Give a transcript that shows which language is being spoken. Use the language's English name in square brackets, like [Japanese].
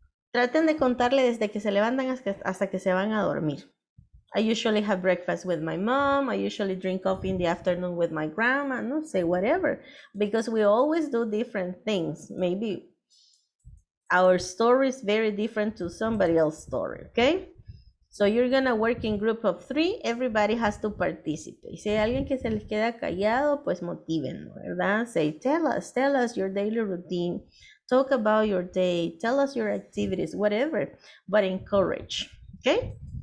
[Spanish] Traten de contarle desde que se levantan hasta que se van a dormir. [English] I usually have breakfast with my mom. I usually drink coffee in the afternoon with my grandma. [Spanish] No sé, [English] whatever. Because we always do different things. Maybe our story is very different to somebody else's story, okay? So you're gonna work in group of 3. Everybody has to participate. [Spanish] Si hay alguien que se les queda callado, pues motívenlo, ¿verdad? [English] Say, tell us your daily routine. Talk about your day, tell us your activities, whatever, but encourage, okay?